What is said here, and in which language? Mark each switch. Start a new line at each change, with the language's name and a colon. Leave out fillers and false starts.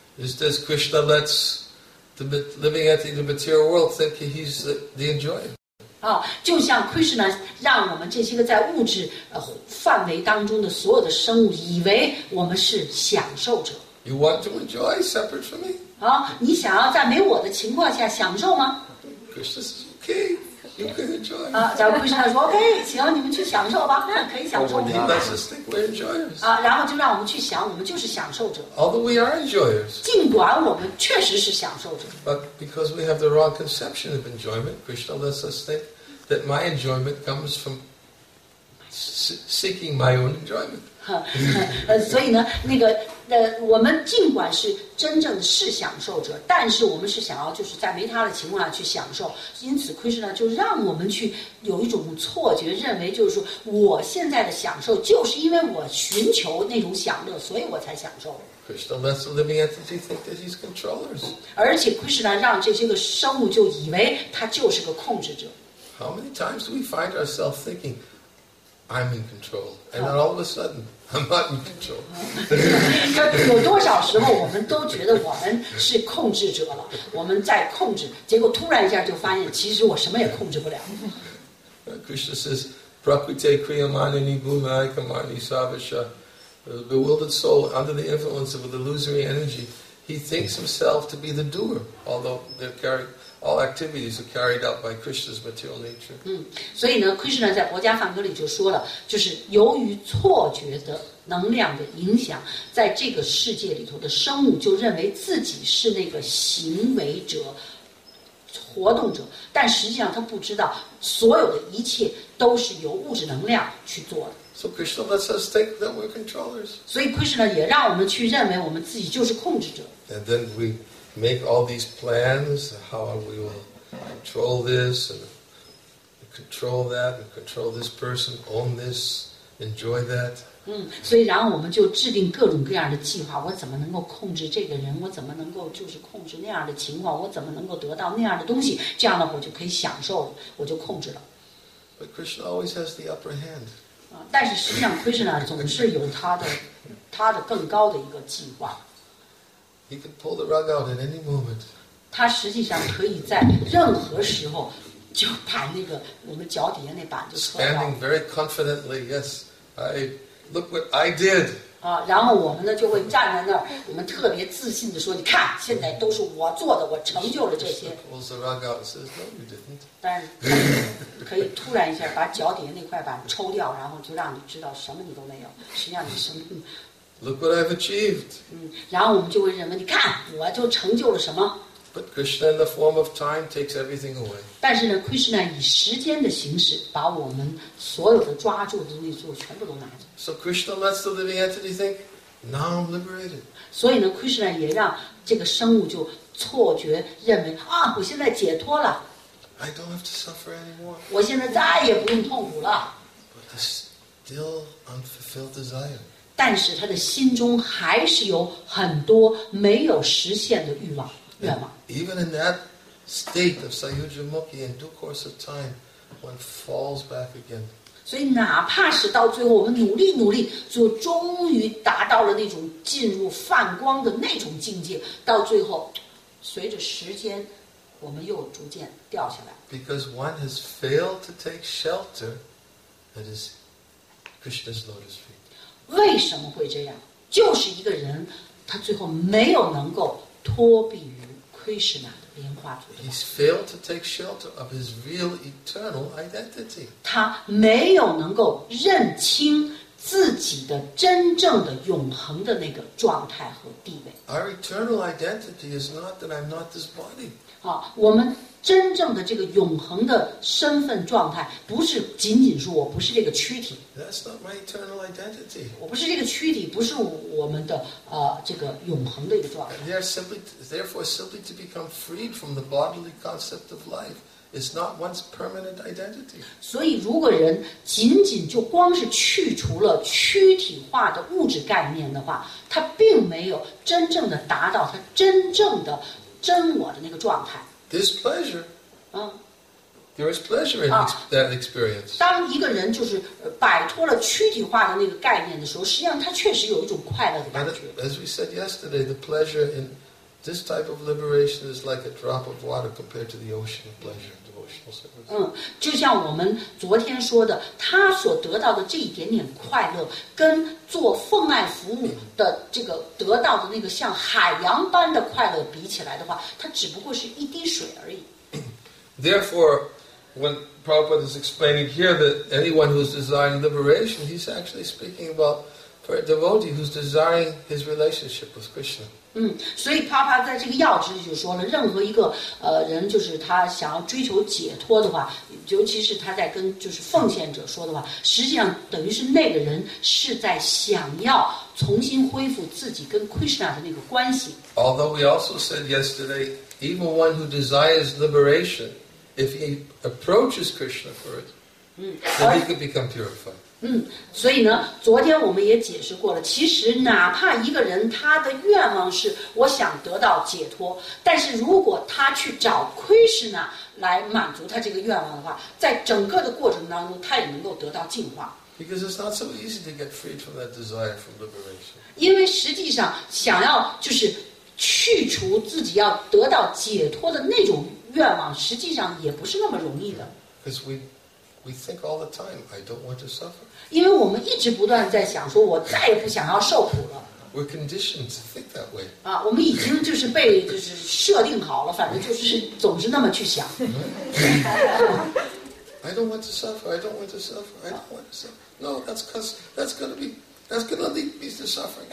English: Just as Krishna lets the living entity in the material world think he's the enjoyer.
Chinese: 啊，就像 Krishna 让我们这些个在物质范围当中的所有的生物以为我们是享受者。
English: You want to enjoy separate from me?
Chinese: 啊，你想要在没我的情况下享受吗
English: ？Krishna says, okay, you can enjoy.
Chinese: 啊，然后 Krishna 说 ，OK， 请你们去享受吧，可以享受。
English: Well, when he lets us think we're enjoyers.
Chinese: 啊，然后就让我们去想，我们就是享受者。
English: Although we are enjoyers.
Chinese: 尽管我们确实是享受者。
English: But because we have the wrong conception of enjoyment, Krishna lets us think that my enjoyment comes from seeking my own enjoyment.
Chinese: 所以呢，那个我们尽管是真正的是享受者，但是我们是想要就是在没他的情况下去享受，因此亏是呢，就让我们去有一种错觉，认为就是说我现在的享受就是因为我寻求那种享乐，所以我才享受。
English: Krishna lets the living entity think that he's controllers.
Chinese: 而且亏是呢，让这些个生物就以为他就是个控制者。
English: How many times do we find ourselves thinking? I'm in control, and then all of a sudden, I'm not in control.
Chinese: 有多少时候我们都觉得我们是控制者了，我们在控制，结果突然一下就发现，其实我什么也控制不了。
English: Krishna says,
Sanskrit: "Prakute kriyamani nibhumai kamani savasha."
English: The bewildered soul, under the influence of the illusory energy, he thinks himself to be the doer, although they're carrying. All activities are carried out by Krishna's material nature.
Chinese: 所以呢 ，Krishna 在《薄伽梵歌》里就说了，就是由于错觉的能量的影响，在这个世界里头的生物就认为自己是那个行为者、活动者，但实际上他不知道，所有的一切都是由物质能量去做的。
English: So Krishna lets us think that we're controllers.
Chinese: 所以 Krishna 也让我们去认为我们自己就是控制者。
English: And then we. Make all these plans, how we will control this and control that, and control this person, own this, enjoy that.
Chinese: 所以然后我们就制定各种各样的计划。我怎么能够控制这个人？我怎么能够就是控制那样的情况？我怎么能够得到那样的东西？这样呢，我就可以享受，我就控制了。
English: But Krishna always has the upper hand.
Chinese: 但是实际上 ，Krishna 总是有他的更高的一个计划。
English: He can pull the rug out at any moment.
Chinese: 他实际上可以在任何时候就把那个我们脚底下那板就
English: Standing very confidently, yes, I look what I did.
Chinese: 啊，然后我们呢就会站在那儿，我们特别自信的说：“你看，现在都是我做的，我成就了这些。”
English: Pulls the rug out and says, "No, you didn't."
Chinese: 但是可以突然一下把脚底下那块板抽掉，然后就让你知道什么你都没有，实际上你什么。
English: Look what I've achieved.
Chinese: 然后我们就会认为，你看，我就成就了什么。
English: But Krishna, in the form of time, takes everything away.
Chinese: 但是呢 ，Krishna 以时间的形式把我们所有的抓住的东西全部都拿走。
English: So Krishna lets the living entity think, now I'm liberated.
Chinese: 所以呢 ，Krishna 也让这个生物就错觉认为啊，我现在解脱了。
English: I don't have to suffer anymore.
Chinese: 我现在再也不用痛苦了。
English: But the still unfulfilled desire.
Chinese: 但是他的心中还是有很多没有实现的欲望、愿望。
English: Even in that state of Sayujya Mukhi, in due course of time, one falls back again.
Chinese: 所以，哪怕是到最后，我们努力努力，就终于达到了那种进入梵光的那种境界。到最后，随着时间，我们又逐渐掉下来。
English: Because one has failed to take shelter, that is Krishna's lotus feet.
Chinese: 为什么会这样？就是一个人，他最后没有能够脱避于 Krishna 的莲花组织。
English: He's failed to take shelter of his real eternal identity.
Chinese: 他没有能够认清自己的真正的永恒的那个状态和地位。
English: Our eternal identity is not that I'm not this body.
Chinese: 好，我们真正的这个永恒的身份状态，不是仅仅说我不是这个躯体。
English: That's not my eternal identity.
Chinese: 我不是这个躯体，不是我们的这个永恒的一个状态。
English: They are simply, therefore, simply to become freed from the bodily concept of life. It's not one's permanent identity.
Chinese: 所以，如果人仅仅就光是去除了躯体化的物质概念的话，他并没有真正的达到他真正的真我的那个状态。
English: This pleasure, there is pleasure in that experience.
Chinese: 当一个人就是摆脱了躯体化的那个概念的时候，实际上他确实有一种快乐的感觉。
English: As we said yesterday, the pleasure in This type of liberation is like a drop of water compared to the ocean of pleasure and devotional service.
Chinese: 嗯，就像我们昨天说的，他所得到的这一点点快乐，跟做奉爱服务的这个得到的那个像海洋般的快乐比起来的话，它只不过是一滴水而已。
English: Therefore, when Prabhupada is explaining here that anyone who's desiring liberation, he's actually speaking about for a devotee who's desiring his relationship with Krishna.
Chinese: 嗯，所以帕帕在这个要旨里就说了，任何一个人就是他想要追求解脱的话，尤其是他在跟就是奉献者说的话，实际上等于是那个人是在想要重新恢复自己跟 Krishna 的那个关系。
English: Although we also said yesterday, even one who desires liberation. If he approaches Krishna for it, then he could become purified.
Chinese: 嗯，所以呢，昨天我们也解释过了。其实，哪怕一个人他的愿望是我想得到解脱，但是如果他去找 Krishna 来满足他这个愿望的话，在整个的过程当中，他也能够得到净化。
English: Because it's not so easy to get freed from that desire for liberation.
Chinese: 因为实际上想要就是去除自己要得到解脱的那种。愿望实际上也不是那么容易的。
English: Because we think all the time, I don't want to suffer.
Chinese: 因为我们一直不断在想，说我再也不想要受苦了。
English: We're conditioned to think that way.
Chinese: 啊，我们已经就是被就是设定好了，反正就是总是那么去想。
English: I don't want to suffer. I don't want to suffer. I don't want to suffer. No, that's gonna lead me to suffering.